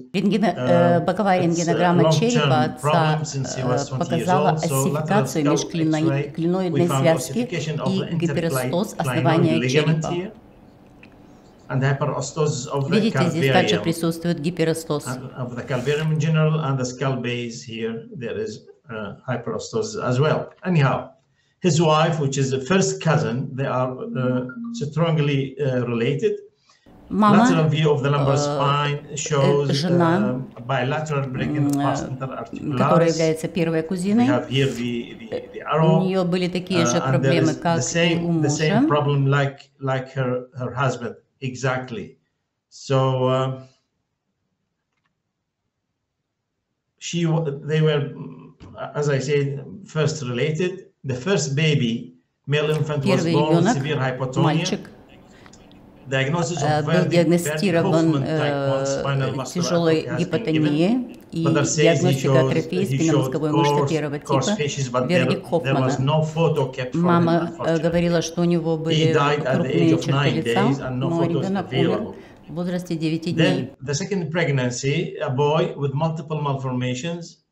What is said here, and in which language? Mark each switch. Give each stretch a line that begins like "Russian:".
Russian: боковая рентгенограмма черепа отца показала оссификацию межклиноидной связки и гиперостоз основания черепа.
English: And hyperostosis of the
Russian: видите,
English: calvarium.
Russian: Здесь также присутствует гиперостоз.
English: Of the calvarium in general and the skull base here there is hyperostosis as well. Anyhow, his wife, which is a first cousin, they are strongly related.
Russian: мама, жена, которая является первой кузиной, у нее были такие же проблемы, как и у мужа.
English: Exactly. So they were, as I said, first related. The first baby, male infant, was born with severe hypotonia.
Russian: Мальчик.
English: Diagnosis
Russian: был диагностирован тяжелой гипотонией и диагностика атрофии спинномозговой мышцы первого типа Вердик Хоффмана. Мама говорила, что у него были крупные черты лица, но ребенок умер в возрасте 9 дней.
English: The second pregnancy, a boy with multiple malformations,